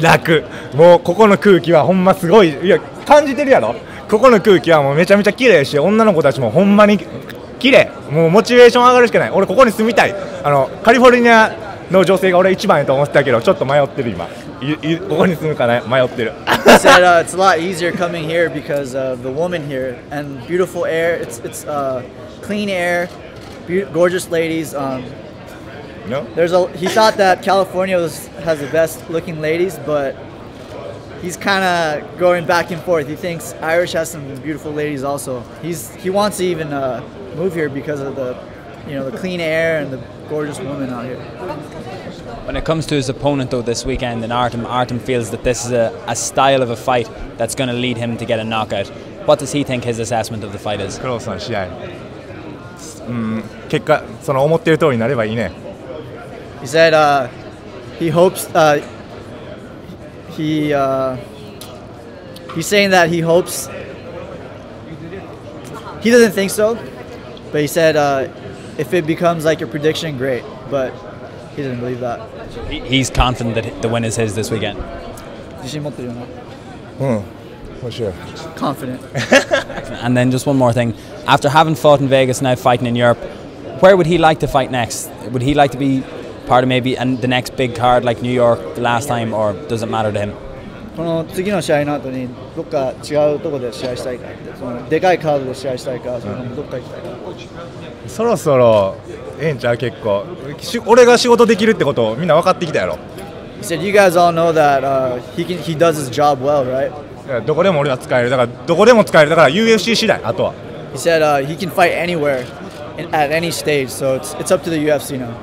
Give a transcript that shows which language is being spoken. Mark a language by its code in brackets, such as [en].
[ja] 楽、もうここの空気はほんますごい。いや感じてるやろ、ここの空気はもうめちゃめちゃ綺麗やし、女の子たちもほんまに綺麗。もうモチベーション上がるしかない。俺ここに住みたい。あのカリフォルニアの女性が俺一番やと思ってたけど、ちょっと迷ってる今。ここに住むかな迷ってる。 [en] He said, it's a lot easier coming here because of the woman here and beautiful air. It's clean air, gorgeous ladies. He thought that California has the best looking ladies, but he's kind of going back and forth. He thinks Irish has some beautiful ladies also. He wants to even move here because of the, you know, the clean air and the gorgeous women out here. When it comes to his opponent though this weekend in Artem, Artem feels that this is a style of a fight that's going to lead him to get a knockout. What does he think his assessment of the fight is? [ja] クロスの試合。結果、その思っている通りになればいいね。 [en] He said he doesn't think so, but he said if it becomes like your prediction, great, but he didn't believe that. He's confident that the win is his this weekend. [ja] 自信持ってるよね。うん、もちろん。 [en] Confident. And then just one more thing. After having fought in Vegas, now fighting in Europe, where would he like to fight next? Would he like to be part of maybe and the next big card like New York the last time, or does it matter to him? [ja] この次の試合の後にどっか違うとこで試合したいか、でかいカードで試合したいか、そのどっか行きたいか。そろそろええんちゃう、結構俺が仕事できるってことをみんな分かってきたやろ。 [en] He said you guys all know that he does his job well, right? [ja] どこでも俺は使える、だからどこでも使える、だから UFC 次第、あとは。 [en] He said he can fight anywhere at any stage, so it's up to the UFC now.